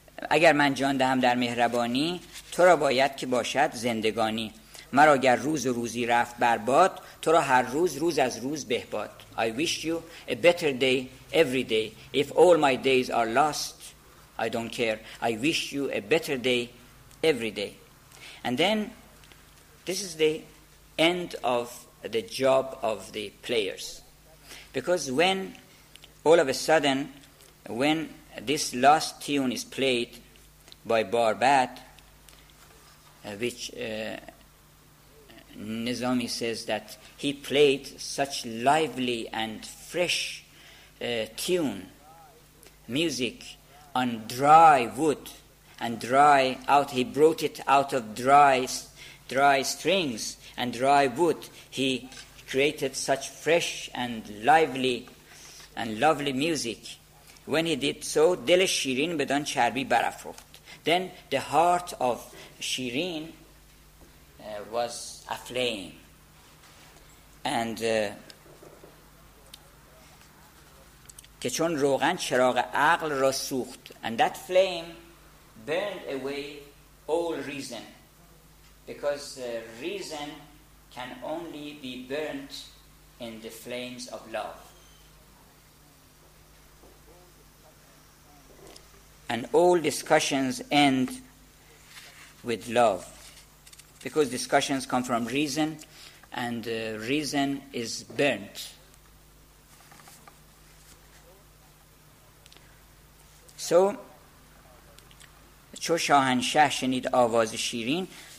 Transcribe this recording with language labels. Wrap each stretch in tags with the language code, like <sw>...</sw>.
<fa>اگر من جان دهم در مهربانی تو را باید که باشد زندگانی. مرا اگر روز و روزی رفت برباد تو را هر روز روز از روز بهباد.</fa> <en>I wish you a better day every day. If all my days are lost, I don't care. I wish you a better day every day. And then this is the end of the job of the players. Because when all of a sudden, when this last tune is played by Barbat, which Nizami says that he played such lively and fresh tune, music on dry wood, and he brought it out of dry strings and dry wood. He created such fresh and lively and lovely music. When he did so,</en> <fa>دل شیرین بدان چربی برافروخت.</fa> <en>Then the heart of شیرین was aflame.</en> <fa>And که چون روغن چراغ عقل را سوخت.</fa> <en>And that flame burned away all reason. Because reason can only be burnt in the flames of love. And all discussions end with love, because discussions come from reason, and reason is burnt.</en> <fa>So, چو شاهنشاه شنید آواز شیرین.</fa>